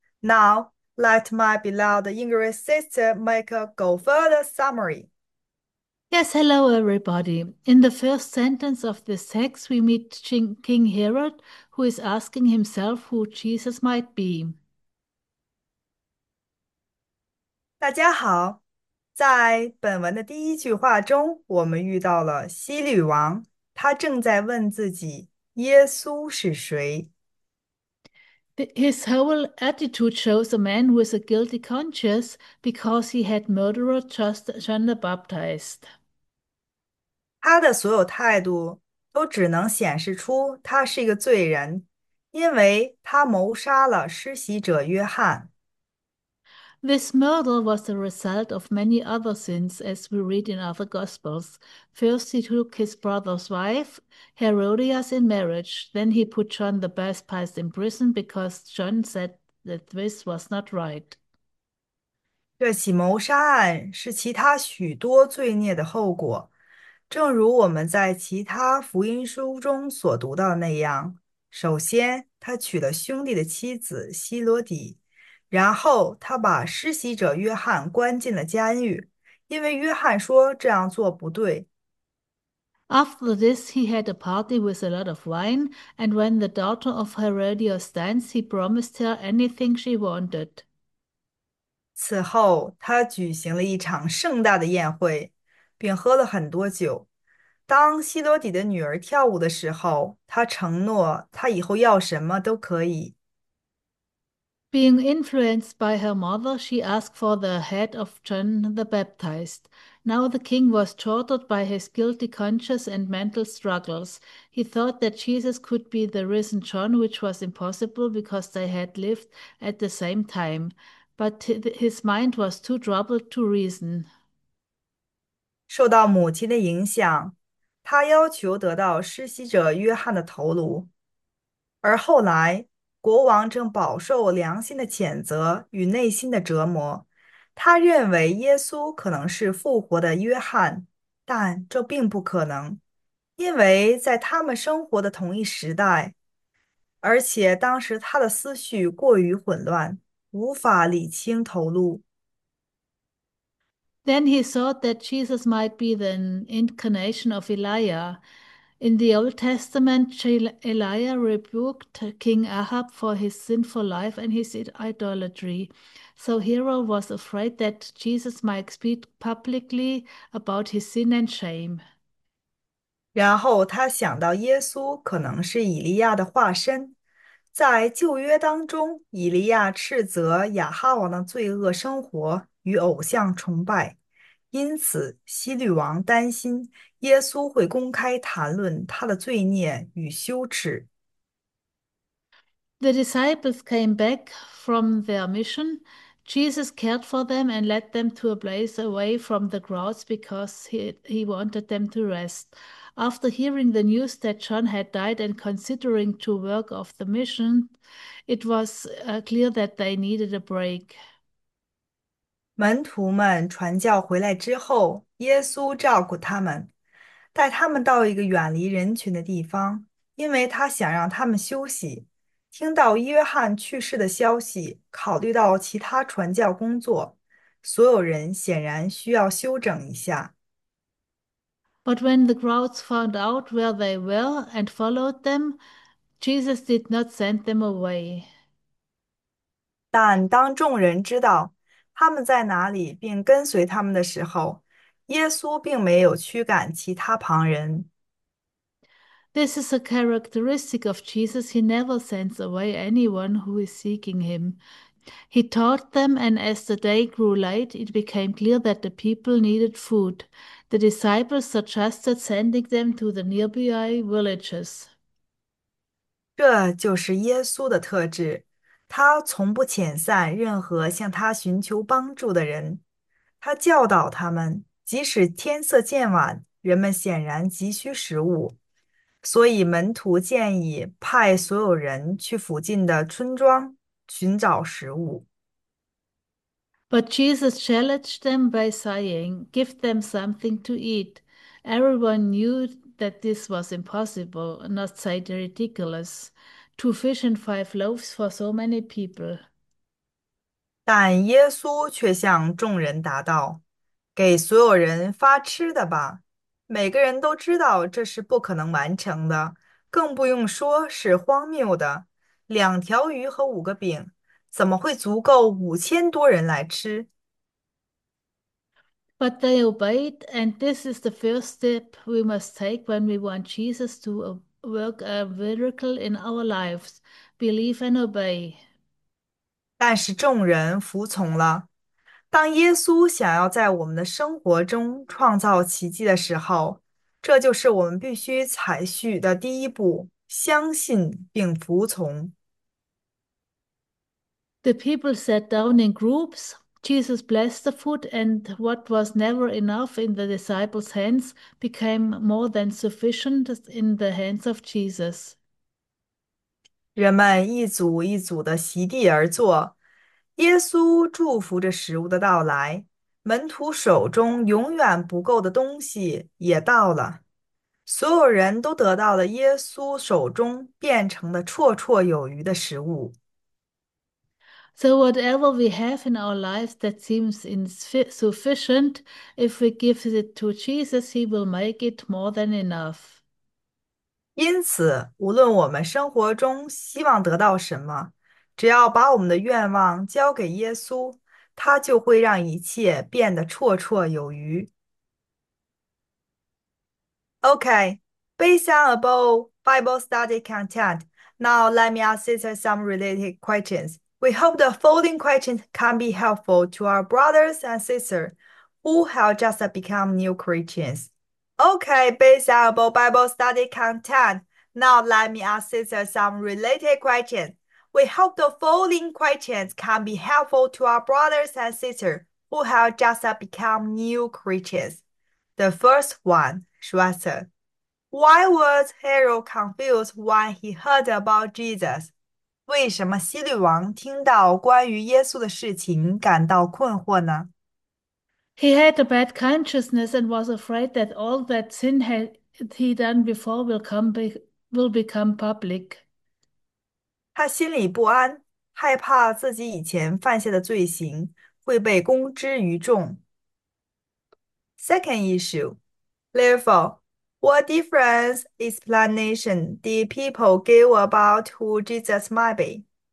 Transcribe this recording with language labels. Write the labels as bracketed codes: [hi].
[en] Now, let my beloved English sister make a go further summary. Yes, hello everybody. In the first sentence of this text, we meet King Herod, who is asking himself who Jesus might be. [zh] 大家好，在本文的第一句话中，我们遇到了希律王，他正在问自己耶稣是谁。 [en] His whole attitude shows a man with a guilty conscience because he had murdered just John the Baptist. [zh] 他的所有态度都只能显示出他是一个罪人，因为他谋杀了施洗者约翰。 [en] This murder was the result of many other sins, as we read in other Gospels. First, he took his brother's wife, Herodias, in marriage. Then he put John the Baptist in prison because John said that this was not right. [zh] 这起谋杀案是其他许多罪孽的后果，正如我们在其他福音书中所读到的那样。首先，他娶了兄弟的妻子希罗底。然后他把施洗者约翰关进了监狱，因为约翰说这样做不对。 [en] After this, he had a party with a lot of wine, and when the daughter of Herodias danced, he promised her anything she wanted. [zh] 此后，他举行了一场盛大的宴会，并喝了很多酒。当希罗底的女儿跳舞的时候，他承诺他以后要什么都可以。 [en] Being influenced by her mother, she asked for the head of John the Baptist. Now the king was tortured by his guilty conscience and mental struggles. He thought that Jesus could be the risen John, which was impossible because they had lived at the same time. But his mind was too troubled to reason. [zh] 受到母亲的影响，他要求得到施洗者约翰的头颅。而后来，国王正饱受良心的谴责与内心的折磨。他认为耶稣可能是复活的约翰，但这并不可能，因为在他们生活的同一时代，而且当时他的思绪过于混乱，无法理清头路。 [en] Then he thought that Jesus might be the incarnation of Elijah. In the Old Testament, Elijah rebuked King Ahab for his sinful life and his idolatry. So Hero was afraid that Jesus might speak publicly about his sin and shame. [zh] 然后他想到耶稣可能是以利亚的化身，在旧约当中，以利亚斥责亚哈王的罪恶生活与偶像崇拜，因此希律王担心耶稣会公开谈论他的罪孽与羞耻。 [en] The disciples came back from their mission. Jesus cared for them and led them to a place away from the crowds because he wanted them to rest. After hearing the news that John had died and considering to work off the mission, it was clear that they needed a break. [zh] 门徒们传教回来之后，耶稣照顾他们，带他们到一个远离人群的地方，因为他想让他们休息。听到约翰去世的消息，考虑到其他传教工作，所有人显然需要休整一下。 [en] But when the crowds found out where they were and followed them, Jesus did not send them away. [zh] 但当众人知道他们在哪里，并跟随他们的时候，耶稣并没有驱赶其他旁人。 [en] This is a characteristic of Jesus. He never sends away anyone who is seeking him. He taught them, and as the day grew late, it became clear that the people needed food. The disciples suggested sending them to the nearby villages. [zh] 这就是耶稣的特质。他从不遣散任何向他寻求帮助的人，他教导他们，即使天色渐晚，人们显然急需食物，所以门徒建议派所有人去附近的村庄寻找食物。 [en] But Jesus challenged them by saying, "Give them something to eat." Everyone knew that this was impossible, not say ridiculous. 2 fish and 5 loaves for so many people. [zh] 但耶稣却向众人答道：“给所有人发吃的吧。每个人都知道这是不可能完成的，更不用说是荒谬的。 2条鱼和5个饼，怎么会足够5000多人来吃？” [en] But they obeyed, and this is the first step we must take when we want Jesus to work a miracle in our lives. Believe and obey. [zh] 但是众人服从了。当耶稣想要在我们的生活中创造奇迹的时候，这就是我们必须采取的第一步，相信并服从。 [en] The people sat down in groups. Jesus blessed the food, and what was never enough in the disciples' hands became more than sufficient in the hands of Jesus. [zh] 人们一组一组的席地而坐。耶稣祝福着食物的到来，门徒手中永远不够的东西也到了，所有人都得到了耶稣手中变成了绰绰有余的食物。 [en] So, whatever we have in our lives that seems insufficient, if we give it to Jesus, he will make it more than enough. [zh] 因此，无论我们生活中希望得到什么，只要把我们的愿望交给耶稣，他就会让一切变得绰绰有余。 [en] Okay, based on above Bible study content, now let me ask sister some related questions. We hope the following questions can be helpful to our brothers and sisters who have just become new Christians. Okay, based on above Bible study content, now let me ask sister some related questions. We hope the following questions can be helpful to our brothers and sisters who have just become new Christians. The first one, Schwester. Why was Herod confused when he heard about Jesus? [zh] 为什么希律王听到关于耶稣的事情感到困惑呢？ [en] He had a bad consciousness and was afraid that all that sin had he done before will become public. [zh] 他心里不安，害怕自己以前犯下的罪行会被公之于众。 [en] Second issue, therefore, what difference explanation did people give about who Jesus might be?